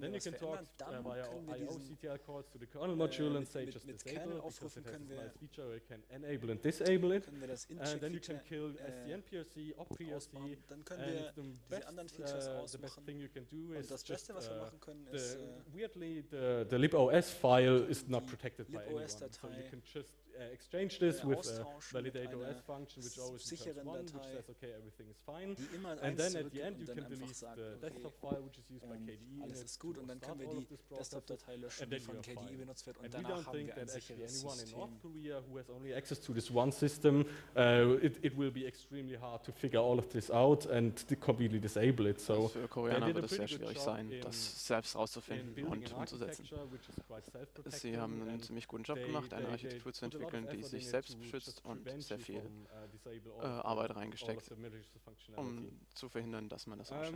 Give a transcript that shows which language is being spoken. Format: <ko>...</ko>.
<en>Then you can talk via IOCTL calls to the kernel module and say just disable it, because it has a nice feature where you can enable and disable it, and then you can kill SDN PRC, OP PRC, and the best thing you can do is just weirdly the libOS file is not protected by anyone, so you can just exchange this with a validate OS function, which always returns one, which says, okay, everything is fine. And then at the end, you can delete the desktop file, which is used by KDE.</en> <de>Alles ist gut, und dann können wir die Desktop-Datei löschen, die von KDE benutzt wird, und danach haben wir ein sicheres system.</de> <en>Anyone in North Korea who has only access to this one system, it will be extremely hard to figure all of this out and to completely disable it. So</en> <de>für Koreaner wird es sehr schwierig sein, das selbst rauszufinden und umzusetzen. Sie haben einen ziemlich guten Job gemacht, eine Architektur zu entwickeln, die sich selbst beschützt und sehr viel Arbeit reingesteckt, um zu verhindern, dass man das</de>